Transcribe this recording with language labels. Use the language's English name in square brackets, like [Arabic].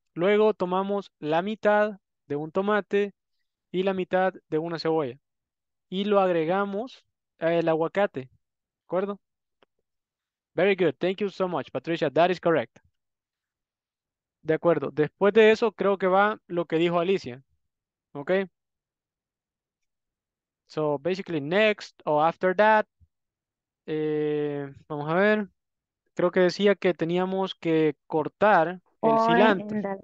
[Spanish] Luego tomamos la mitad de un tomate y la mitad de una cebolla. Y lo agregamos al aguacate. ¿De acuerdo? [English] Very good. Thank you so much, Patricia. That is correct. [Spanish] De acuerdo. Después de eso, creo que va lo que dijo Alicia. ¿Ok? [English] So, basically, next or after that, [Spanish] vamos a ver. Creo que decía que teníamos que cortar el cilantro.